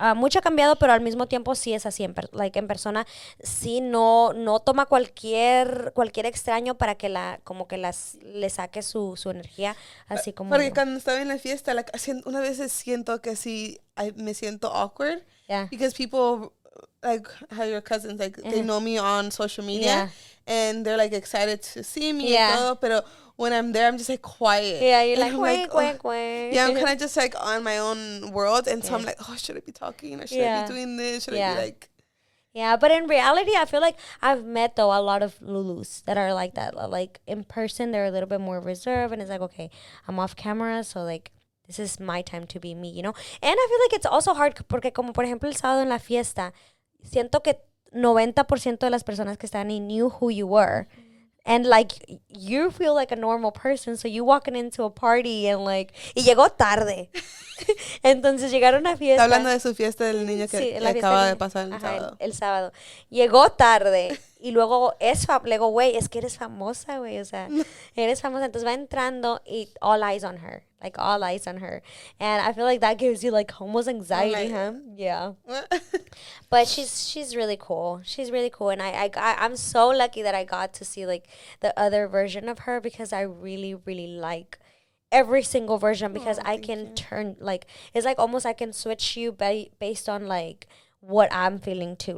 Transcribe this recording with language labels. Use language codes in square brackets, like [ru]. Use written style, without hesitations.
[es] Mucho ha cambiado, pero al mismo tiempo sí es así. En persona, sí, no toma cualquier extraño para que como que le saque su energía, así como porque yo. Cuando estaba en la fiesta, una vez siento que sí, me siento awkward. [en] Yeah. Because people, like, how your cousins, like, mm-hmm. they know me on social media. Yeah. And they're, like, excited to see me yeah. and todo, pero when I'm there, I'm just, like, quiet. Yeah, you're like, wait. Yeah, I'm kind of just, like, on my own world. And so I'm like, oh, should I be talking? Or should I be doing this? Should I be, like... Yeah, but in reality, I feel like I've met, though, a lot of Lulus that are like that. Like, in person, they're a little bit more reserved. And it's like, okay, I'm off camera, so, like... [es] This is my time to be me, you know? And I feel like it's also hard porque como, por ejemplo, el sábado en la fiesta, siento que 90% de las personas que están ahí knew who you were. [en] And, like, you feel like a normal person, so you walking into a party and, like... [es] Y llegó tarde. Entonces, llegaron a fiesta. Está hablando de su fiesta del niño que acaba de pasar el sábado. Llegó tarde. Y luego, güey, es que eres famosa, güey. O sea, eres famosa. Entonces, va entrando y all eyes on her. [en] Like, all eyes on her. And I feel like that gives you, like, almost anxiety, huh? Yeah. But she's really cool. She's really cool. And I'm so lucky that I got to see, like, the other version of her because I really, really like every single version because I can turn, like, it's like almost I can switch you based on, like, what I'm feeling too.